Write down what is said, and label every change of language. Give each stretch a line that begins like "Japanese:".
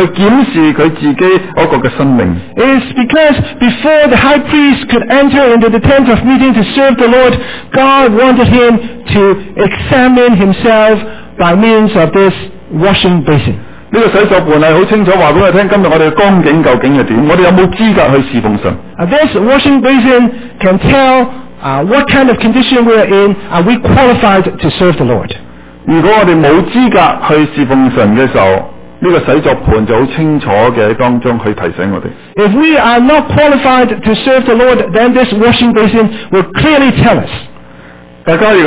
English: It's because before the high priest could enter into the tent of meeting to serve the Lord, God wanted him to examine himself by means of this washing basin.
Chinese: 这个洗濯盆是很清楚告诉我们今天我们的光景究竟是怎样,我们有没有资格去侍奉神?
English: This washing basin can tell what kind of condition we are in, are we qualified to serve the Lord?
Chinese: 如果我们没有资格去侍奉神的时候,这个洗濯盆就很清楚地当中去提醒我们。
English: If we are not qualified to serve the Lord, then this washing basin will clearly tell us.